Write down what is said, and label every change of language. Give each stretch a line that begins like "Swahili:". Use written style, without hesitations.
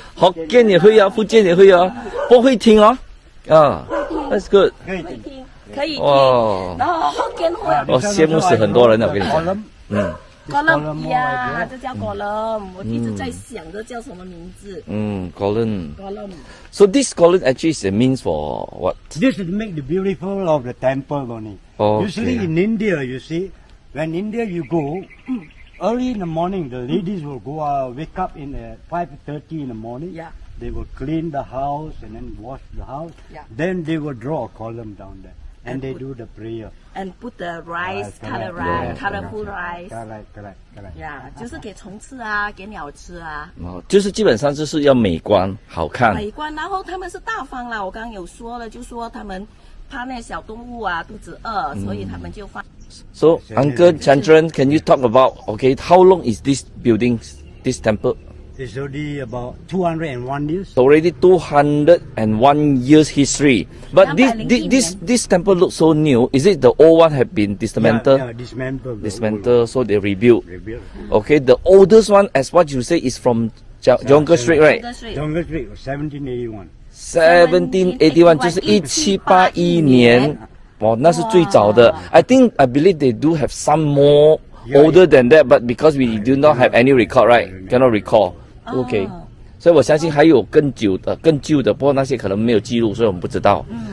Chinese: 福建也会啊，福建也会啊，不会听哦，啊 ，
English: That's good，
Chinese: 可以听，可以听，哇，然后福建话，我羡慕死很多人了，我跟你讲，嗯，高冷呀，这叫高冷，我一直在想着叫什么名字，嗯，高冷，高冷
English: ，So this 高冷 actually it means for what？ This is make the beautiful of the temple morning.、 Okay. Usually in India, you see, when India you go.、Early in the morning, the ladies will go wake up in 5:30 in the morning. Yeah. They will clean the house and then wash the house. Yeah. Then they will draw a column down there and they do the prayer. And put the rice, colored rice, yes, colorful rice. Correct.
Chinese: Yeah, 就是给虫吃啊，给鸟吃啊。哦，就是基本上就是要美观，好看。美观，然后他们是大方啦。我刚刚有说了，就说他们怕那小动物啊肚子饿，所以他们就放。
English: So, Uncle Chandran, can you talk about, okay, how long is this building, this temple? It's already about 201 years. Already 201 years history. But this temple looks so new. Is it the old one have been dismantled? Yeah, dismantled. Dismantled, so they rebuilt. Rebuilt. Okay, the oldest one, as what you say, is from Jonker Street, right? Jonker Street, 1781.
Chinese: 1781, 就是1781年。哇，那是最早的。
English: I think I believe they do have some more older than that, but because we do not have any record, right? Cannot recall. Okay.
Chinese: 所以我相信还有更久的、更旧的，不过那些可能没有记录，所以我们不知道。